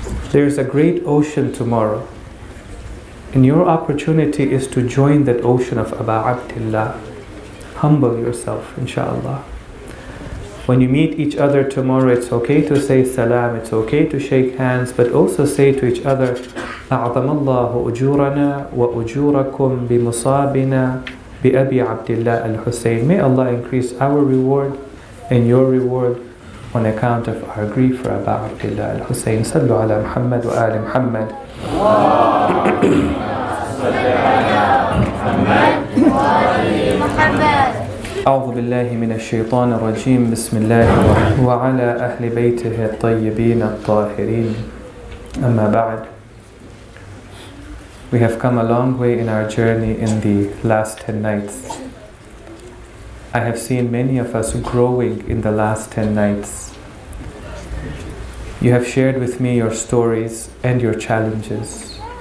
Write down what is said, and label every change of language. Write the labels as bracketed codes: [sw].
[en] There is a great ocean tomorrow. And your opportunity is to join that ocean of Aba Abdullah. Humble yourself, inshallah. When you meet each other tomorrow, it's okay to say salam. It's okay to shake hands. [ar] But also say to each other, أَعْظَمَ اللَّهُ أُجُورَنَا وَأُجُورَكُمْ بِمُصَابِنَا بِأَبِي عَبْدِ اللَّهِ الْحُسَيْنِ. [en] May Allah increase our reward and your reward on account of our grief for Aba Abdullah al-Husayn. [ar] Sallu ala Muhammad wa ala Muhammad. أعوذ بالله من الشيطان الرجيم. بسم الله وعلى أهل بيته الطيبين الطاهرين. أما بعد, [en] we have come a long way in our journey in the last 10 nights. I have seen many of us growing in the last 10 nights. You have shared with me your stories and your challenges.